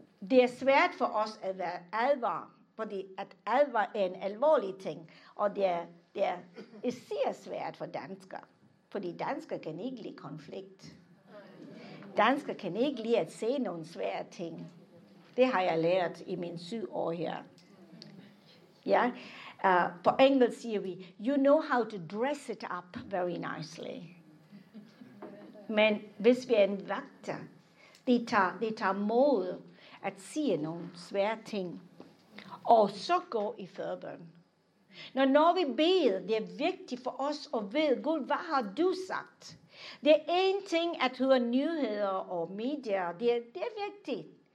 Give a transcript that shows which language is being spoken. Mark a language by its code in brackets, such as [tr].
[da] Det er svært for os at være advare. Fordi at alvor er en alvorlig ting, og det er især svært for danskere. Fordi danskere kan ikke lide konflikt. Danskere kan ikke lide at se nogle svære ting. Det har jeg lært i mine 7 år her. Ja? På engelsk siger vi, [en] you know how to dress it up very nicely. [da] Men hvis vi er en vagter, de tager mod at sige nogle svære ting. Og så gå i forbøn. Når vi beder, det er vigtigt for os at vide, Gud, hvad har du sagt? Det er en ting at høre nyheder og medier, det er vigtigt.